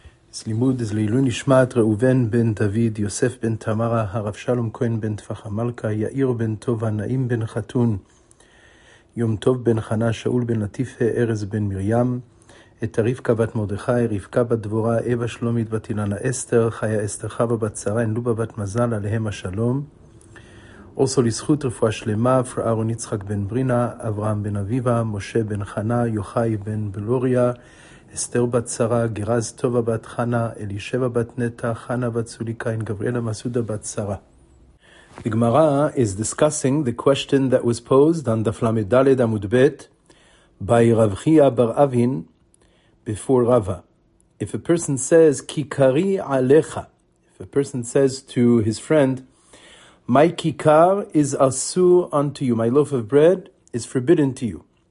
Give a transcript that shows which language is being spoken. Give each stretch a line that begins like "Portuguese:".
English: This limud is Leilu Nishmat Reuven ben David, Yosef ben Tamara, Harav Shalom Cohen ben Tfach Amalka, Yair ben Tova, Naim ben Chatun, Yom Tov ben Chana, Shaul ben Latife, Erez ben Miriam, את הרבקה בת מרדכי, רבקה בת דבורה, אבא שלומית בת אילנה אסתר, חיה אסתר חווה בת שרה, לובה בת מזל,
Hebrew: עליהם השלום. אוסו לזכות רפואה שלמה, פרארון יצחק בן ברינה, אברהם בן אביבה, משה בן חנה, יוחאי בן בלוריה, אסתר בת שרה, גרז טובה בת חנה, אלישבע בת נטע, חנה בת סוליקאין, גבריאלה מסודה בת שרה.
English: The Gemara is discussing the question that was posed on the Flamed Daled Amud Bet by Rav Chiya Bar Avin, before Rava. If a person says,
Hebrew: Kikari alecha,
English: if a person says to his friend, my kikar is asur unto you, my loaf of bread is forbidden to you.